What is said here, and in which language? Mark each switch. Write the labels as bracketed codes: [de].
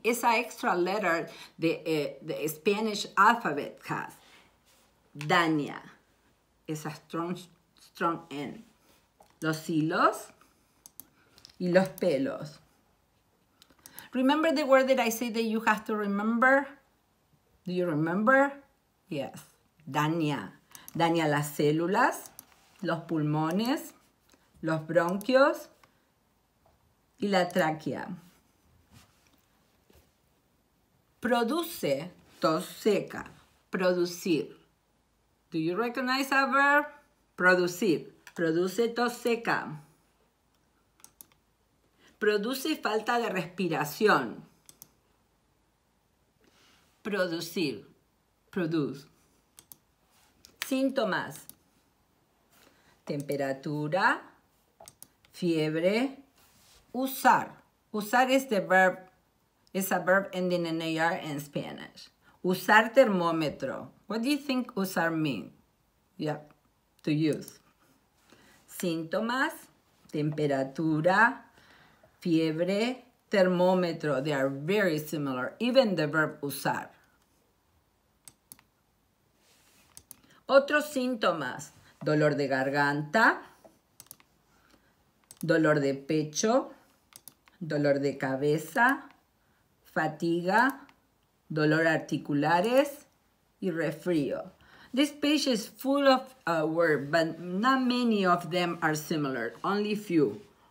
[en] It's an extra letter the Spanish alphabet has. Daña. It's a strong N. [es] Los hilos y los pelos. [en] Remember the word that I say that you have to remember? Do you remember? Yes. Daña. [es] Daña las células, los pulmones, los bronquios y la tráquea. Produce, tos seca, producir. [en] Do you recognize that verb? [es] Producir, produce tos seca. Produce falta de respiración. Producir, produce. Síntomas. Temperatura, fiebre, usar. [en] Usar is the verb, it's a verb ending in AR in Spanish. [es] Usar termómetro. [en] What do you think usar mean? Yeah, to use. Síntomas, [es] temperatura, fiebre, termómetro. [en] They are very similar, even the verb usar. [es] Otros síntomas, dolor de garganta, dolor de pecho, dolor de cabeza, fatiga, dolor articulares, y resfrío. [en] This page is full of words, but not many of them are similar, only few.